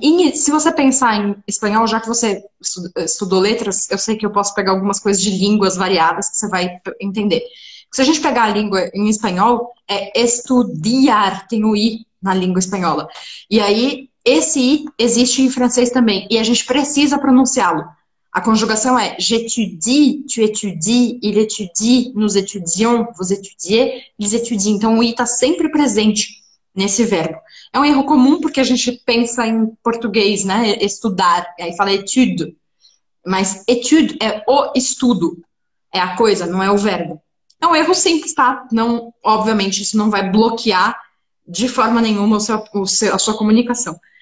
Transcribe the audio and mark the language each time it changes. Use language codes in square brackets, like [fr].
[pt] E se você pensar em espanhol, já que você estudou letras, eu sei que eu posso pegar algumas coisas de línguas variadas que você vai entender. Se a gente pegar a língua em espanhol, é estudiar, tem o i na língua espanhola. E aí, esse i existe em francês também, e a gente precisa pronunciá-lo. A conjugação é [fr] j'étudie, tu étudies, il étudie, nous étudions, vous étudiez, ils étudient. [pt] Então, o i está sempre presente nesse verbo. É um erro comum porque a gente pensa em português, né? Estudar, e aí fala étude. Mas étude é o estudo, é a coisa, não é o verbo. É um erro simples, tá? Não, obviamente, isso não vai bloquear de forma nenhuma a sua comunicação.